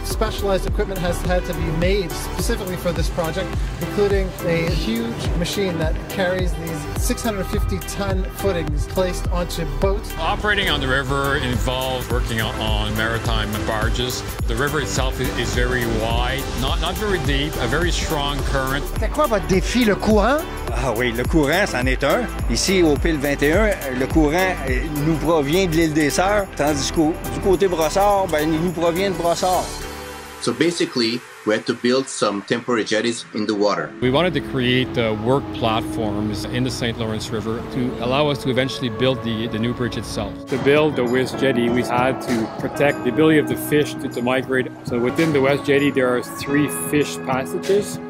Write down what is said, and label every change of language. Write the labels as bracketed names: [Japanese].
[English] Specialized equipment has had to be made specifically for this project, including a huge machine that carries these 650-ton footings placed onto boats. Operating on the river involves working on maritime barges. The river itself is very wide, not very deep, a very strong current. [French] C'est quoi votre défi, le courant? Ah oui, le courant, c'en est un. Ici, au pile 21, le courant nous provient de l'île des Sœurs, tandis que du côté Brossard, ben, il nous provient de Brossard. [English] So basically, we had to build some temporary jetties in the water. We wanted to create work platforms in the St. Lawrence River to allow us to eventually build the new bridge itself. To build the West Jetty, we had to protect the ability of the fish to migrate. So within the West Jetty, there are three fish passages.